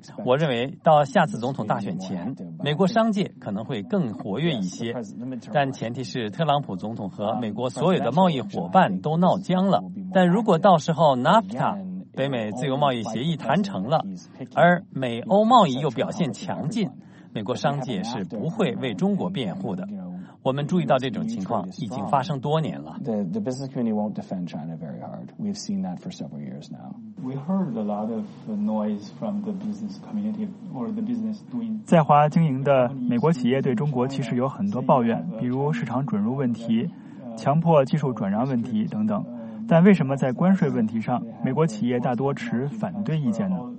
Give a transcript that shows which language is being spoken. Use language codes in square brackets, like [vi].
[zh] 我认为到下次总统大选前，美国商界可能会更活跃一些，但前提是特朗普总统和美国所有的贸易伙伴都闹僵了。但如果到时候 NAFTA 北美自由贸易协议谈成了，而美欧贸易又表现强劲，美国商界是不会为中国辩护的。我们注意到这种情况已经发生多年了。 [en] The business community won't defend China very hard. We've seen that for several years now. We heard a lot of noise from the business community or the business doing. [zh] 在华经营的美国企业对中国其实有很多抱怨，比如市场准入问题、强迫技术转让问题等等。但为什么在关税问题上，美国企业大多持反对意见呢？